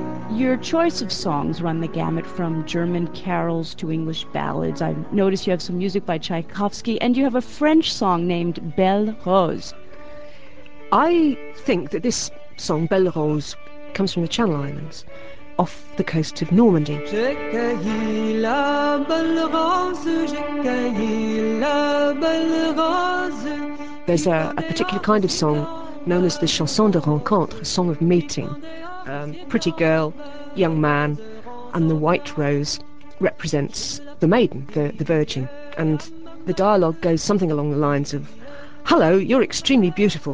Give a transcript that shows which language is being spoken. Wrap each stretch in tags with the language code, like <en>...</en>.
<en>Your choice of songs run the gamut from German carols to English ballads. I notice you have some music by Tchaikovsky, and you have a French song named Belle Rose. I think that this song, Belle Rose, comes from the Channel Islands, off the coast of Normandy.</en> <fr>J'ai cueilli la belle rose, j'ai cueilli la belle rose.</fr> <en>There's a particular kind of song known as the chanson de rencontre, a song of meeting. Pretty girl, young man, and the white rose represents the maiden, the virgin. And the dialogue goes something along the lines of, "Hello, you're extremely beautiful.</en>